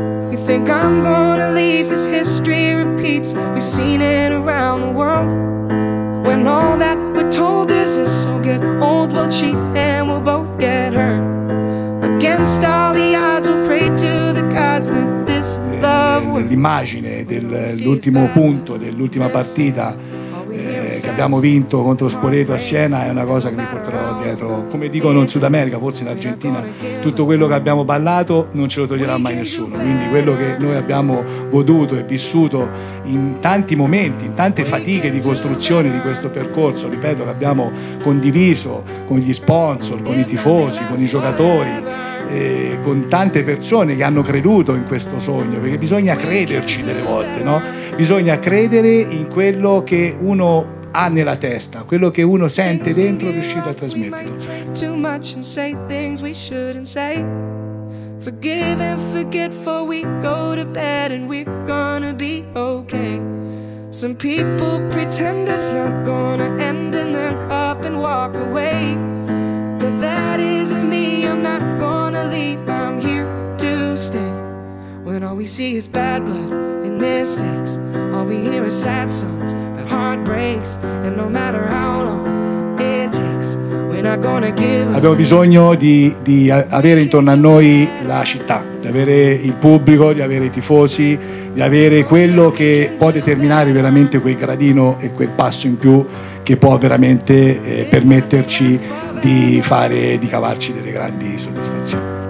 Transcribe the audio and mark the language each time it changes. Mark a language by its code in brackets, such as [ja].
[en] You think I'm gonna leave as history repeats? We've seen it around the world. When all that we're told is this, we'll get old, we'll cheat, and we'll both get hurt. Against all the odds, we'll pray to the gods that this love will. [it] L'immagine dell'ultimo punto, dell'ultima partita che abbiamo vinto contro Spoleto a Siena è una cosa che mi porterò dietro, come dicono in Sud America, forse in Argentina, tutto quello che abbiamo ballato non ce lo toglierà mai nessuno. Quindi quello che noi abbiamo goduto e vissuto in tanti momenti, in tante fatiche di costruzione di questo percorso, ripeto, che abbiamo condiviso con gli sponsor, con i tifosi, con i giocatori, e con tante persone che hanno creduto in questo sogno, perché bisogna crederci delle volte, no? Bisogna credere in quello che uno ha nella testa, quello che uno sente dentro, riuscire a trasmetterlo. [en] Too much and say things we shouldn't say. Forgive and forget, for we go to bed and we're gonna be okay. Some people pretend it's not gonna end and then up and walk away. But that isn't me, I'm not gonna leave, I'm here to stay. When all we see is bad blood and mistakes, all we hear is sad songs and heartbreaks. And no matter how long it takes, we're not gonna give up. [it] Abbiamo bisogno di avere intorno a noi la città, di avere il pubblico, di avere i tifosi, di avere quello che può determinare veramente quel gradino e quel passo in più che può veramente permetterci di fare, di cavarci delle grandi soddisfazioni.